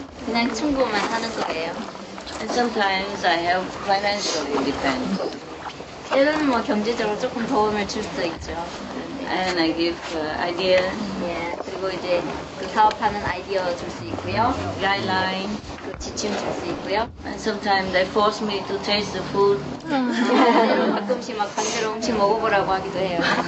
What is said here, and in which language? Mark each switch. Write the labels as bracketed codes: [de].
[ko] 그냥 충고만 하는 거예요. [en] And sometimes I have financial independence. [ko] 때는 뭐 경제적으로 조금 도움을 줄 수 있죠. [en] And I give idea. Yeah. [ko] 그리고 이제 그 사업하는 아이디어 줄 수 있고요. [en] Guideline. [ko] 그 지침 줄 수 있고요. [en] And sometimes they force me to taste the food. [ko] 가끔씩 막 반대로 음식 먹어보라고 하기도 해요.